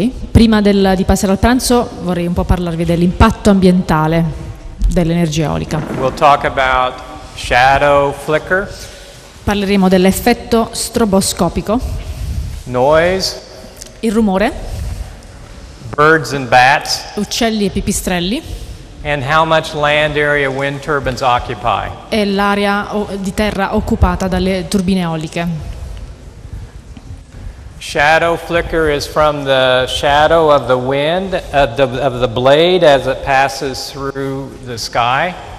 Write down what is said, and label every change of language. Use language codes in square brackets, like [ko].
[it] Prima di passare al pranzo vorrei un po' parlarvi dell'impatto ambientale dell'energia eolica. [en] We'll talk about shadow flicker. [it] Parleremo dell'effetto stroboscopico, [en] noise, [it] il rumore, [en] birds and bats, [it] uccelli e pipistrelli, [en] and how much land area wind turbines occupy. [it] E l'area di terra occupata dalle turbine eoliche. [en] Shadow flicker is from the shadow of the wind of the blade as it passes through the sky.